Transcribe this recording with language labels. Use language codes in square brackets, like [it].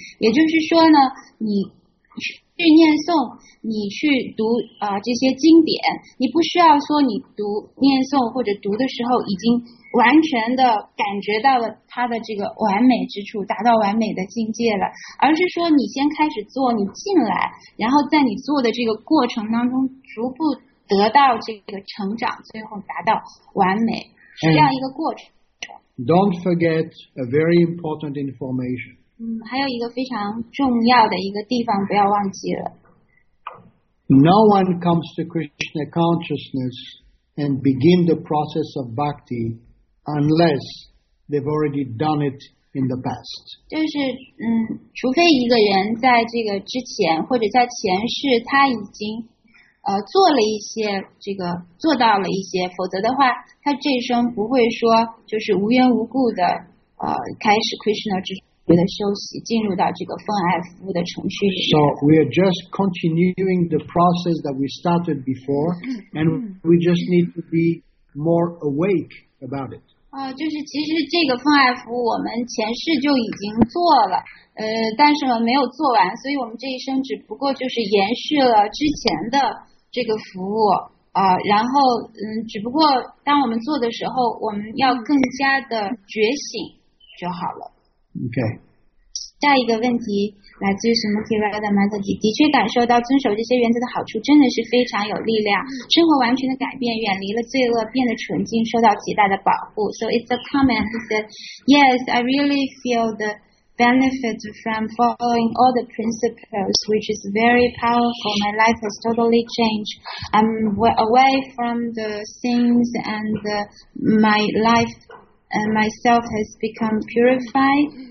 [zh] 也就是说呢，你去念诵，你去读这些经典，你不需要说你读念诵或者读的时候已经完全的感觉到了它的这个完美之处，达到完美的境界了，而是说你先开始做，你进来，然后在你做的这个过程当中逐步得到这个成长，最后达到完美，是这样一个过程。 [en] Don't forget a very important information. [zh] 还有一个非常重要的一个地方不要忘记了。 [en] No one comes to Krishna consciousness and begin the process of bhakti unless they've already done it in the past. [zh] 就是除非一个人在这个之前或者在前世他已经做了一些这个做到了一些，否则的话他这一生不会说就是无缘无故的开始 Krishna 之觉得休息进入到这个奉爱服务的程序里面。 [en] So we are just continuing the process that we started before, and we just need to be more awake about it. [zh] 就是其实这个奉爱服务我们前世就已经做了，但是呢没有做完，所以我们这一生只不过就是延续了之前的这个服务，然后只不过当我们做的时候，我们要更加的觉醒就好了。 [en] Okay. [zh] 下一个问题来自于什么 Kira 的 Mataji， 的确感受到遵守这些原则的好处真的是非常有力量，生活完全的改变，远离了罪恶，变得纯净，受到极大的保护。 [en] So it's a comment. He said, yes, I really feel the benefit from following all the principles, which is very powerful. My life has totally changed. I'm away from the sins and my lifeAnd myself has become purified.